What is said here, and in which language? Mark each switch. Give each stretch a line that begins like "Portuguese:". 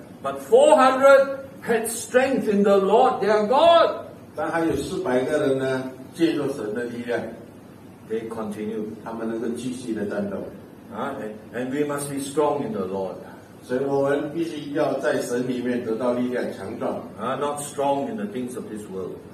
English: but 400 had strength in the Lord their God
Chinese: 但还有400个人呢借着神的力量
English: they continue
Chinese: 他们能够继续的战斗
English: and we must be strong in the Lord
Chinese: 所以我们必须要在神里面得到力量强壮
English: not strong in the things of this world